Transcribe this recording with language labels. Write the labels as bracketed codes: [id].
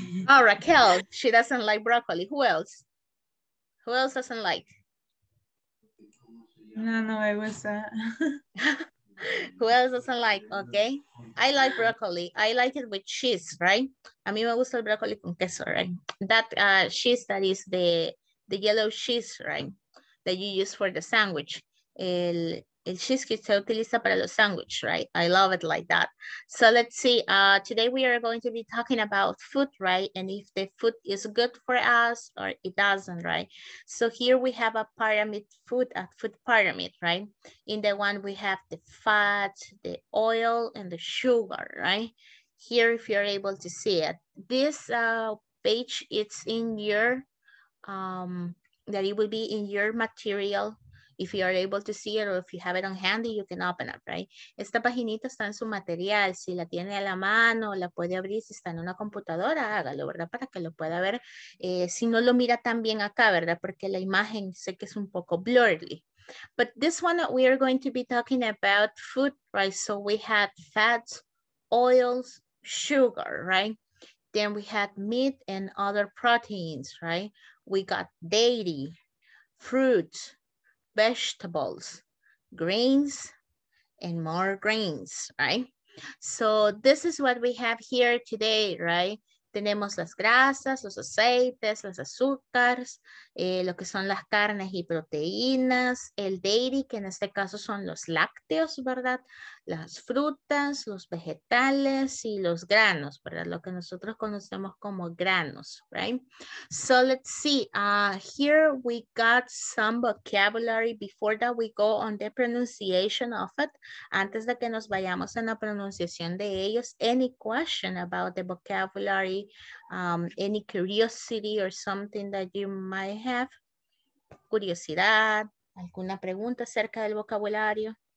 [en] Oh, Raquel, she doesn't like broccoli. Who else? Who else doesn't like? No, I was Who else doesn't like? Okay. I like broccoli. I like it with cheese, right? [es] A mí me gusta el broccoli con queso, right? [en] That cheese that is the yellow cheese, right? That you use for the sandwich. [es] El cheese que se utiliza para los sandwiches, [en] right? I love it like that. So let's see, today we are going to be talking about food, right? And if the food is good for us or it doesn't, right? So here we have a food pyramid, right? In the one we have the fat, the oil, and the sugar, right? Here, if you're able to see it, this page, it's in your, that it will be in your material. If you are able to see it or if you have it on handy, you can open it, right? [es] Esta paginita está en su material. Si la tiene a la mano, la puede abrir. Si está en una computadora, hágalo, ¿verdad? Para que lo pueda ver. Si no lo mira tan bien acá, ¿verdad? Porque la imagen sé que es un poco blurry. [en] But this one we are going to be talking about food, right? So we had fats, oils, sugar, right? Then we had meat and other proteins, right? We got dairy, fruits, vegetables, grains, and more grains, right? So this is what we have here today, right? [es] Tenemos las grasas, los aceites, los azúcares, lo que son las carnes y proteínas, el dairy, que en este caso son los lácteos, ¿verdad? Las frutas, los vegetales y los granos, ¿verdad? Lo que nosotros conocemos como granos, right? [en] So let's see, here we got some vocabulary before that we go on the pronunciation of it. [es] Antes de que nos vayamos en la pronunciación de ellos, [en] any question about the vocabulary, any curiosity or something that you might have, [es] curiosidad, alguna pregunta acerca del vocabulario?